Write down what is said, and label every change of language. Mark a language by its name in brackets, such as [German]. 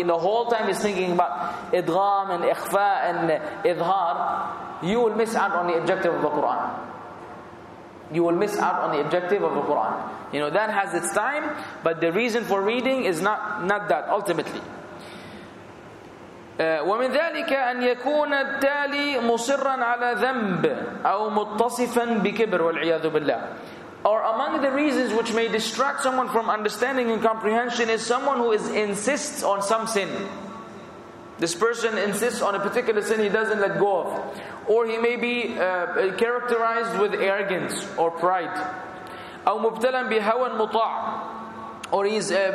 [English] And the whole time he's thinking about idgham and ikhfa and idhar, you will miss out on the objective of the Quran. You will miss out on the objective of the Quran. You know, that has its time, but the reason for reading is not that, ultimately. [Arabic] ومن ذلك أن يكون التالي مصرا على ذنب أو متصفا بكبر والعياذ بالله. [English] Or among the reasons which may distract someone from understanding and comprehension is someone who insists on some sin. This person insists on a particular sin he doesn't let go of. Or he may be characterized with arrogance or pride. [Arabic] أو مبتلا بهوى مطاع. [English] Or he's